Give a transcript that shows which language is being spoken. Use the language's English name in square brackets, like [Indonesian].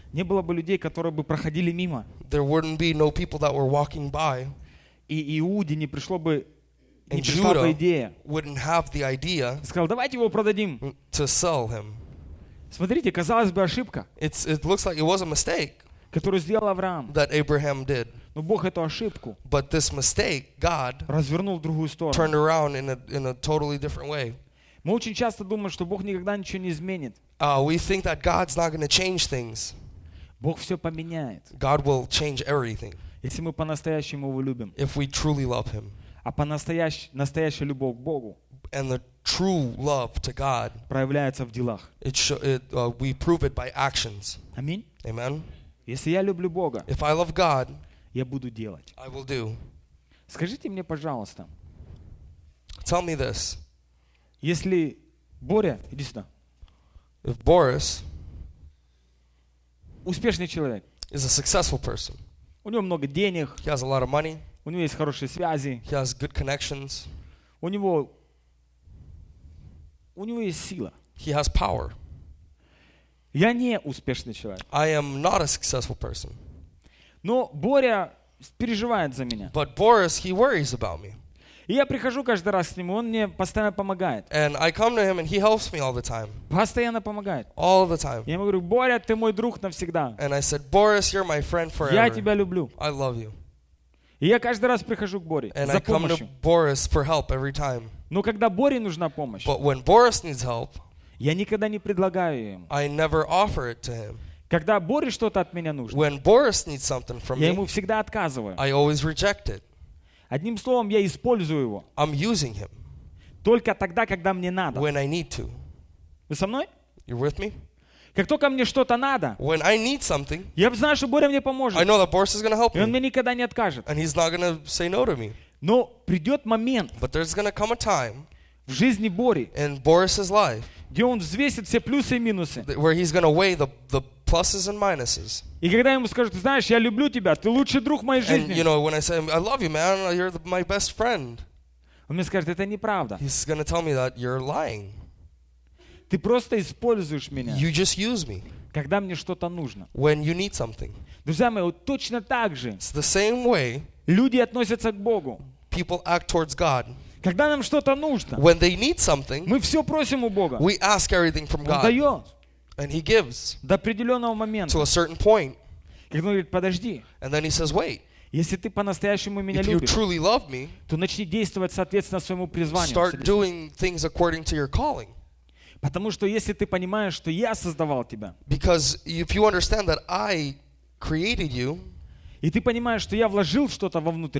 [Russian] не было бы людей, которые бы проходили мимо. [English] There wouldn't be no people that were walking by. [Russian] И Иуде не пришло бы, не пришла бы идея. [English] Wouldn't have the idea. [Russian] Сказал, давайте его продадим. [English] To sell him. [Russian] Смотрите, казалось бы, ошибка. [English] It looks like it was a mistake. [Russian] Которую сделал Авраам. [English] That Abraham did. [Russian] Но Бог эту ошибку. [English] But this mistake, God. [Russian] Развернул в другую сторону. [English] Turned around in a totally different way. [Russian] Мы очень часто думаем, что Бог никогда ничего не изменит. [English] We think that God's not going to change things. [Russian] Бог все поменяет. [English] God will change everything. [Russian] Если мы по-настоящему его любим, [English] if we truly love him, [Russian] а по-настоящему любовь к Богу, [English] and the true love to God, [Russian] проявляется в делах, [English] we prove it by actions. [Russian] Аминь. [English] Amen. [Russian] Если я люблю Бога, [English] if I love God, [Russian] я буду делать. [English] I will do. [Russian] Скажите мне, пожалуйста, [English] tell me this, [Russian] если Боря, иди сюда, [English] if Boris, [Russian] успешный человек, [English] is a successful person. [Russian] У него много денег. [English] He has a lot of money. [Russian] У него есть хорошие связи. [English] He has good connections. [Russian] У него есть сила. [English] He has power. [Russian] Я не успешный человек. [English] I am not a successful person. [Russian] Но Боря переживает за меня. [English] But Boris, he worries about me. [Russian] И я прихожу каждый раз к нему, он мне постоянно помогает. [English] And I come to him and he helps me all the time. [Russian] Постоянно помогает. [English] All the time. [Russian] Я ему говорю, Боря, ты мой друг навсегда. [English] And I said, Boris, you're my friend forever. [Russian] Я тебя люблю. [English] I love you. [Russian] И я каждый раз прихожу к Боре за помощью. [English] And I come to Boris for help every time. [Russian] Но когда Боре нужна помощь, [English] but when Boris needs help, [Russian] я никогда не предлагаю ему. [English] I never offer it to him. [Russian] Когда Боре что-то от меня нужно, [English] when Boris needs something from [Russian] я [English] me, [Russian] ему всегда отказываю. [English] I always reject it. [Russian] Одним словом, я использую его. [English] I'm using him. [Russian] Только тогда, когда мне надо. [English] When I need to. [Russian] Вы со мной? [English] You're with me? [Russian] Как только мне что-то надо, [English] when I need something, [Russian] я знаю, что Боря мне поможет. [English] I know that Boris is gonna help me. [Russian] И он мне никогда не откажет. [English] And he's not gonna say no to me. [Russian] Но придет момент, [English] but there's gonna come a time, [Russian] в жизни Бори, [English] in Boris's life, [Russian] где он взвесит все плюсы и минусы, [English] where he's gonna weigh the pluses and minuses. [Russian] И когда ему скажут, ты знаешь, я люблю тебя, ты лучший друг моей жизни. [English] And you know, when I say, I love you, man, you're my best friend. [Russian] Он мне скажет, это неправда. [English] He's gonna tell me that you're lying. [Russian] Ты просто используешь меня. [English] You just use me. [Russian] Когда мне что-то нужно. [English] When you need something. [Russian] Друзья мои, вот точно так же. [English] It's the same way. [Russian] Люди относятся к Богу. [English] People act towards God. [Russian] Когда нам что-то нужно. [English] When they need something. [Russian] Мы все просим у Бога. [English] We ask everything from God. [Russian] Он дает. [English] And he gives [Russian] до определенного момента. [English] To a certain point. [Russian] И он говорит, подожди. [English] And then he says, wait. [Russian] Если ты по-настоящему меня [English] if [Russian] любишь, [English] you truly love me, [Russian] то начни действовать соответственно своему призванию. [English] Start doing things according to your calling. [Russian] Потому что если ты понимаешь, что я создавал тебя, [English] because if you understand that I created you, [Russian] и ты понимаешь, что я вложил что-то вовнутрь